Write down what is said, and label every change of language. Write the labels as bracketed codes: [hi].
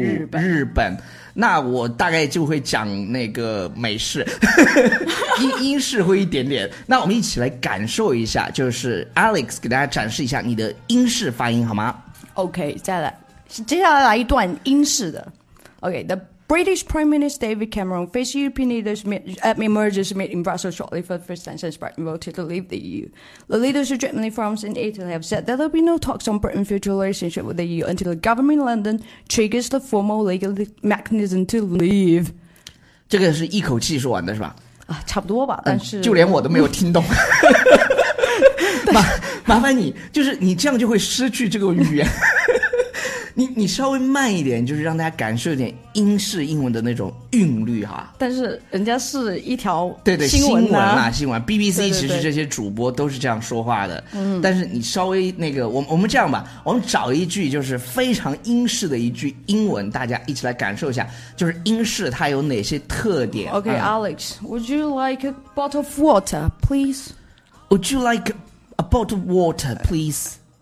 [zh] 日本。那我大概就会讲那个美式，英式会一点点。那我们一起来感受一下，就是 Alex 给大家展示一下你的英式发音好吗？OK， 再来，接下来一段英式的。 [en] OK， the British Prime Minister David Cameron faced European leaders emerges meet in Brussels shortly for the first time since Britain voted to leave the EU. The leaders of Germany, France and Italy have said that there will be no talks on Britain's future relationship with the EU until the government in London triggers the formal legal mechanism to leave. [zh] 这个是一口气说完的是吧？啊，差不多吧，但是，就连我都没有听懂。麻烦你，就是你这样就会失去这个语言。你稍微慢一点，就是让大家感受一点英式英文的那种韵律哈。但是人家是一条新闻啊，BBC 其实这些主播都是这样说话的。对，但是你稍微那个，我们这样吧，我们找一句就是非常英式的一句英文，大家一起来感受一下，就是英式它有哪些特点。 [en] OK，Alex， Would you like a bottle of water, please? Would you like a bottle of water, please?